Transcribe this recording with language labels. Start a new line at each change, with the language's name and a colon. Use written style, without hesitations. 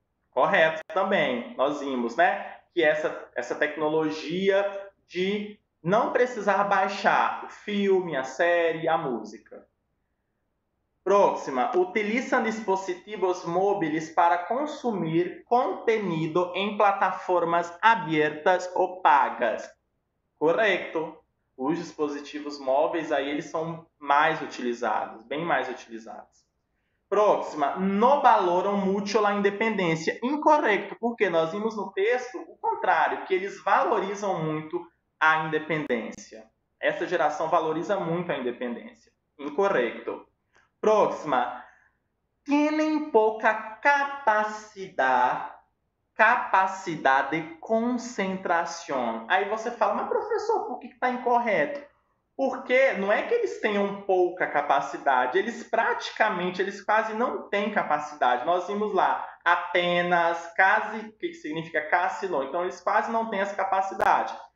Portuguese: Correto também. Nós vimos, né, que essa tecnologia de não precisar baixar o filme, a série, a música. Próxima. Utilizam dispositivos móveis para consumir conteúdo em plataformas abertas ou pagas. Correto. Os dispositivos móveis aí eles são mais utilizados, bem mais utilizados. Próxima,
Spanish: no valoram mucho la independencia.
Portuguese: Incorreto, porque nós vimos no texto o contrário, que eles valorizam muito a independência. Essa geração valoriza muito a independência. Incorreto. Próxima,
Spanish: tienen poca capacidad
Portuguese: capacidade de concentração. Aí você fala, mas professor, por que está incorreto? Porque não é que eles tenham pouca capacidade, eles praticamente, eles quase não têm capacidade. Nós vimos lá, Atenas, quase, que significa Cassilon, então eles quase não têm essa capacidade.